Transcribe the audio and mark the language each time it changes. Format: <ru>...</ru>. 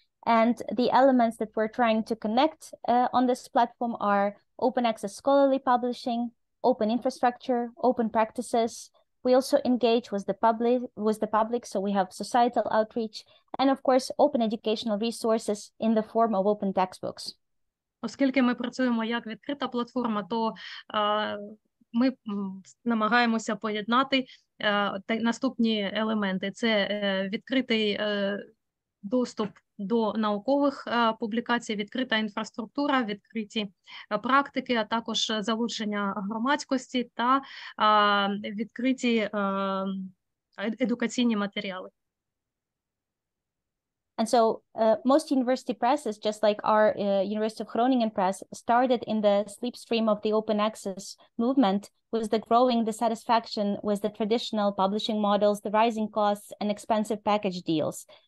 <en>And the elements that we're trying to connect on this platform are open access scholarly publishing, open infrastructure, open practices. We also engage with the public, so we have societal outreach, and of course, open educational resources in the form of open textbooks.</en> <uk>Оскільки ми працюємо як відкрита платформа, то ми намагаємося поєднати наступні елементи. Це відкритий доступ до наукових публікацій, відкрита інфраструктура, відкриті практики, а також залучення громадськості та відкриті едукаційні матеріали.</uk> <en>And so most university presses, just like our University of Groningen Press, started in the slipstream of the open access movement with the growing dissatisfaction with the traditional publishing models, the rising costs and expensive package deals.</en>